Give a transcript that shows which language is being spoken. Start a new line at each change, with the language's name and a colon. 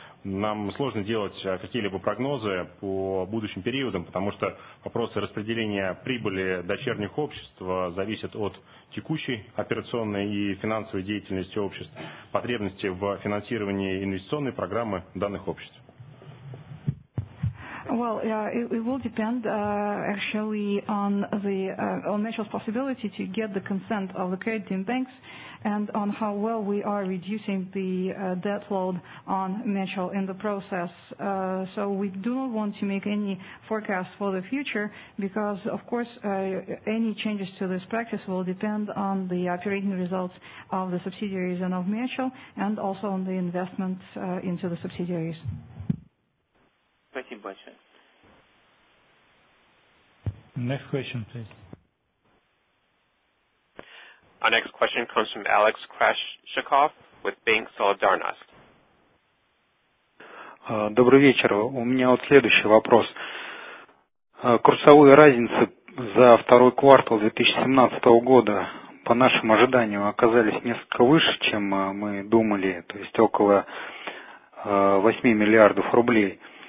Russian: Нам сложно делать какие-либо прогнозы по будущим периодам, потому что вопросы распределения прибыли дочерних обществ зависят от текущей операционной и финансовой деятельности обществ, потребности в финансировании инвестиционной программы данных обществ.
English: Well, it will depend actually on the on Mitchell's possibility to get the consent of the crediting banks and on how well we are reducing the debt load on Mitchell in the process. So we do not want to make any forecasts for the future because, of course, any changes to this practice will depend on the operating results of the subsidiaries and of Mitchell and also on the investment into the subsidiaries. Thank you much. Next question, please. Our next question comes from Alex Krashchikov with Bank Solidarnost.
Russian: Добрый вечер. У меня вот следующий вопрос. Курсовые разницы за второй квартал 2017 года по нашим ожиданиям оказались несколько выше, чем мы думали, то есть около 8 миллиардов рублей.